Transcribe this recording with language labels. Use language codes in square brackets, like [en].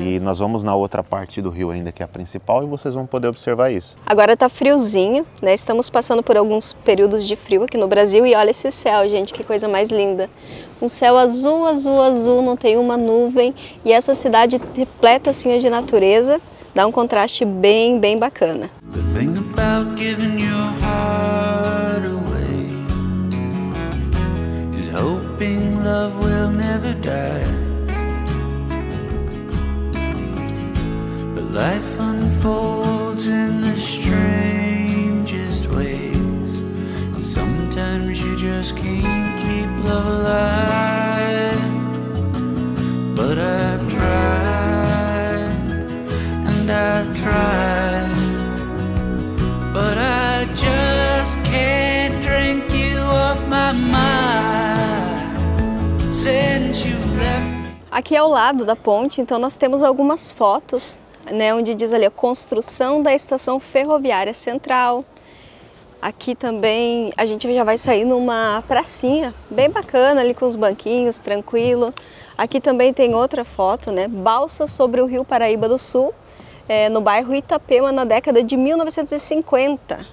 [pt] E nós vamos na outra parte do rio ainda, que é a principal, e vocês vão poder observar isso. Agora tá friozinho, né? Estamos passando por alguns períodos de frio aqui no Brasil e olha esse céu, gente, que coisa mais linda. Um céu azul, azul, azul, não tem uma nuvem. E essa cidade repleta assim de natureza, dá um contraste bem, bem bacana. [en] The thing about giving your heart away is hoping love will never die. Life unfolds in the strangest ways, and sometimes you just can't keep love alive. But I've tried, and I've tried, but I just can't drink you off my mind since you left me. [pt] Aqui ao lado da ponte, então nós temos algumas fotos, né, onde diz ali a construção da estação ferroviária central. Aqui também a gente já vai sair numa pracinha bem bacana ali com os banquinhos, tranquilo. Aqui também tem outra foto, né, balsa sobre o rio Paraíba do Sul, no bairro Itapema, na década de 1950.